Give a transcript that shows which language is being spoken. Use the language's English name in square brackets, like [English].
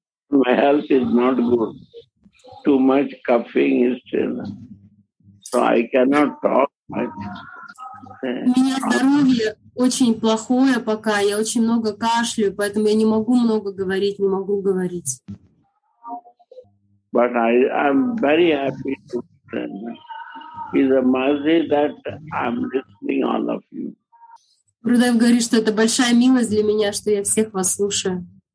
[English] My health is not good. Too much coughing is still. So I cannot talk much. [Russian] У меня здоровье очень плохое пока, я очень много кашляю, поэтому я не могу много говорить, не могу говорить. [English] But I'm very happy to listen. It's a mercy that I'm listening all of you. [Russian] Рудев говорит, что это большая милость для меня, что я всех вас слушаю.